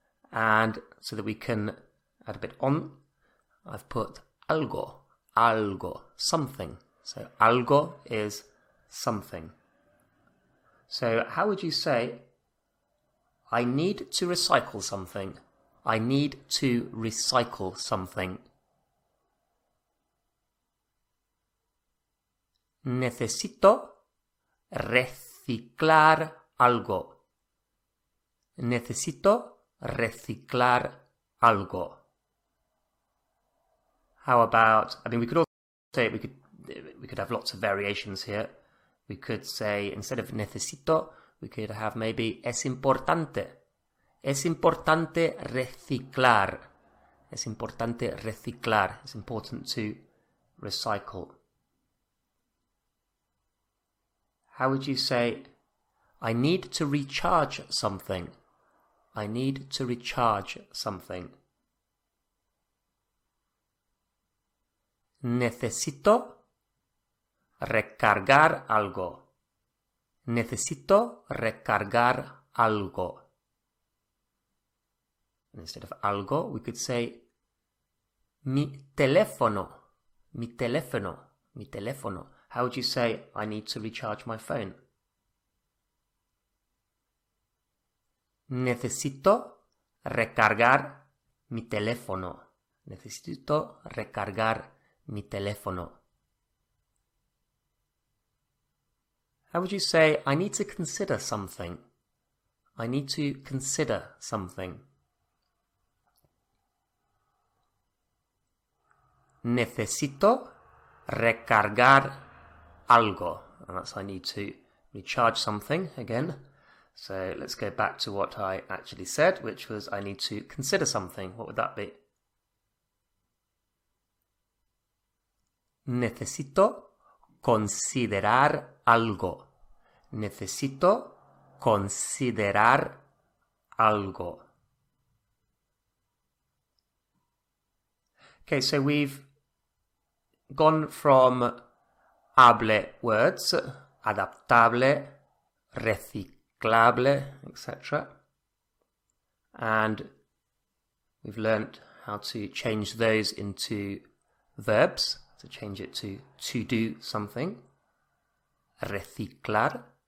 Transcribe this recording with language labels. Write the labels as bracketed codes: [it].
[en] And so that we can add a bit on, I've put algo, algo, something. So algo is something. So how would you say, I need to recycle something. I need to recycle something. [es] Necesito reciclar algo. Necesito reciclar algo. [en] How about, I mean, we could also say, we could have lots of variations here. We could say, instead of necesito, we could have maybe [es] es importante. Es importante reciclar. Es importante reciclar. [en] It's important to recycle. How would you say, I need to recharge something? I need to recharge something. [es] Necesito recargar algo. Necesito recargar algo. [en] Instead of algo, we could say [es] mi teléfono. Mi teléfono. Mi teléfono. [en] How would you say I need to recharge my phone? [es] Necesito recargar mi teléfono. Necesito recargar mi teléfono. [en] How would you say, I need to consider something? I need to consider something. [es] Necesito recargar algo. [en] And that's I need to recharge something again. So let's go back to what I actually said, which was I need to consider something. What would that be? [es] Necesito considerar algo. Necesito considerar algo. [en] Okay, so we've gone from able words, adaptable, reciclable, etc. And we've learned how to change those into verbs, to change it to do something, reciclar.